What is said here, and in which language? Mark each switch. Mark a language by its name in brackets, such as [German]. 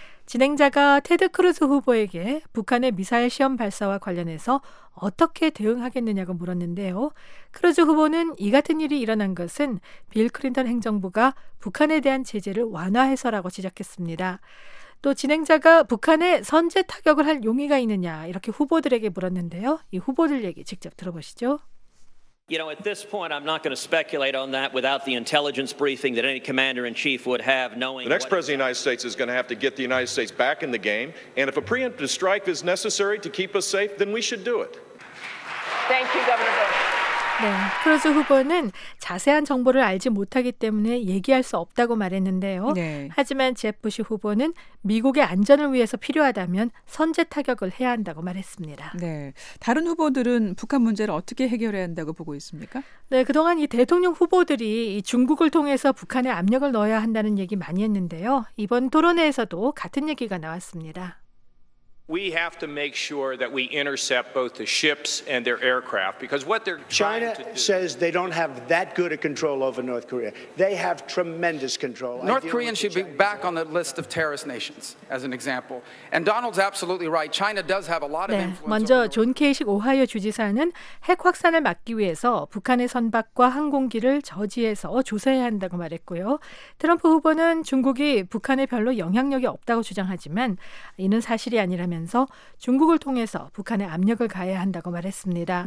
[Korean] 진행자가 테드 크루즈 후보에게 북한의 미사일 시험 발사와 관련해서 어떻게 대응하겠느냐고 물었는데요. 크루즈 후보는 이 같은 일이 일어난 것은 빌 클린턴 행정부가 북한에 대한 제재를 완화해서라고 지적했습니다. 또 진행자가 북한에 선제 타격을 할 용의가 있느냐 이렇게 후보들에게 물었는데요. 이 후보들 얘기 직접 들어보시죠. [English] You know, at this point, I'm not going to speculate on that without the intelligence briefing that any commander-in-chief would have, knowing... The next president of the United States is going to have to get the United States back in the game, and if a preemptive strike is necessary to keep us safe, then we should do it. Thank you, Governor Bush. [Korean] 네, 크루즈 후보는 자세한 정보를 알지 못하기 때문에 얘기할 수 없다고 말했는데요. 네. 하지만 제프시 후보는 미국의 안전을 위해서 필요하다면 선제 타격을 해야 한다고 말했습니다. 네, 다른 후보들은 북한 문제를 어떻게 해결해야 한다고 보고 있습니까? 네, 그동안 이 대통령 후보들이 이 중국을 통해서 북한에 압력을 넣어야 한다는 얘기 많이 했는데요. 이번 토론회에서도 같은 얘기가 나왔습니다. [English] We have to make sure that we intercept both the ships and their aircraft because what they're China trying to do... says they don't have that good a control over North Korea. They have tremendous control. North Koreans should be back on the list of terrorist nations as an example. And Donald's absolutely right. China does have a lot of influence. [Korean] 네, 먼저 존 케이식 오하이오 주지사는 핵 확산을 막기 위해서 북한의 선박과 항공기를 저지해서 조사해야 한다고 말했고요. 트럼프 후보는 중국이 북한에 별로 영향력이 없다고 주장하지만 이는 사실이 아니라 면서 중국을 통해서 북한에 압력을 가해야 한다고 말했습니다.